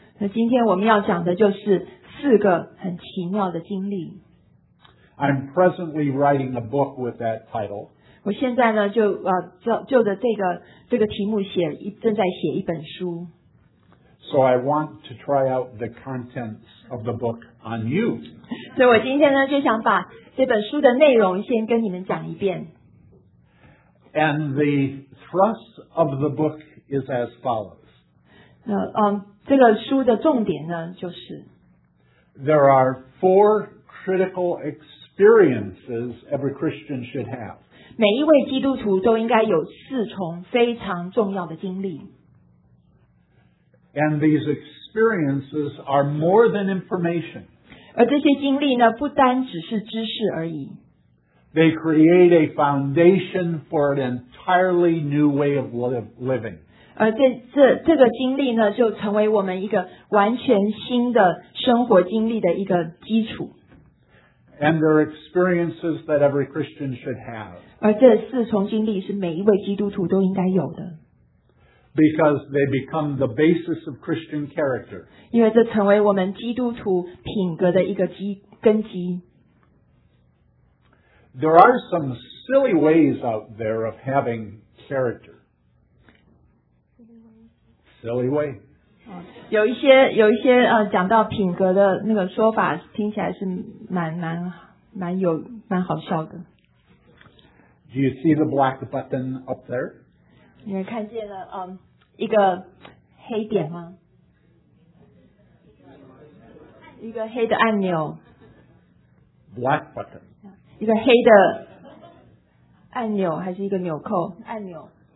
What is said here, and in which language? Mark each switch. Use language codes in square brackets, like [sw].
[zh] 那今天我们要讲的就是四个很奇妙的经历。 [en] I'm presently writing a book with that title. [zh] 我现在呢就就着这个题目写正在写一本书。 [en] So I want to try out the contents of the book on you. [zh] 所以我今天呢就想把这本书的内容先跟你们讲一遍。 [en] And the thrust of the book is as follows. [zh] 这个书的重点呢就是 [en] There are four critical experiences every Christian should have. [zh] 每一位基督徒都应该有四重非常重要的经历。 [en] And these experiences are more than information. [zh] 而这些经历呢，不单只是知识而已。 [en] They create a foundation for an entirely new way of living. [zh] 而这个经历呢，就成为我们一个完全新的生活经历的一个基础。 [en] And there are experiences that every Christian should have. [zh] 而这四重经历是每一位基督徒都应该有的。 [en] Because they become the basis of Christian character. [zh] 因为这成为我们基督徒品格的一个根基。 [en] There are some silly ways out there of having character. Silly way. [zh] 有一些讲到品格的那个说法听起来是蛮好笑的。 [en] Do you see the black button up there? [zh] 你们看见了一个黑点吗？一个黑的按钮。 [en] Black button. [zh] 一个黑的按钮还是一个纽扣按钮。